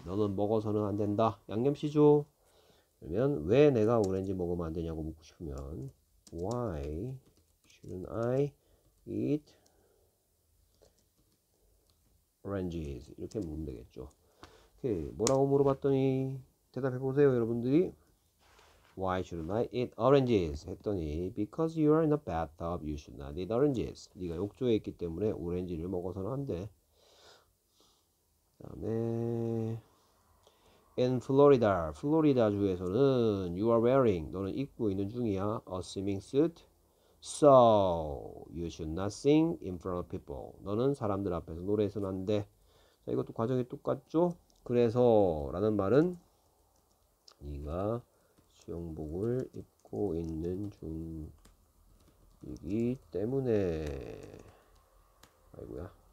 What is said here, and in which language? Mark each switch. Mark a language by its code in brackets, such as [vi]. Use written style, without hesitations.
[ko] 너는 먹어서는 안 된다. 양념치죠? 그러면 왜 내가 오렌지 먹으면 안 되냐고 묻고 싶으면 [en] why shouldn't I eat oranges? [ko] 이렇게 묻으면 되겠죠. 오케이. 뭐라고 물어봤더니 대답해 보세요, 여러분들이. [en] Why should I eat oranges? [ko] 했더니 [en] because you are in a bathtub, you should not eat oranges. [ko] 네가 욕조에 있기 때문에 오렌지를 먹어서는 안 돼. 그다음에 [en] In Florida, [ko] 플로리다 주에서는 [en] you are wearing, [ko] 너는 입고 있는 중이야, [en] a swimming suit. So you should not sing in front of people. [ko] 너는 사람들 앞에서 노래해서는 안 돼. 자, 이것도 과정이 똑같죠? 그래서라는 말은 네가 수영복을 입고 있는 중이기 때문에 아이고야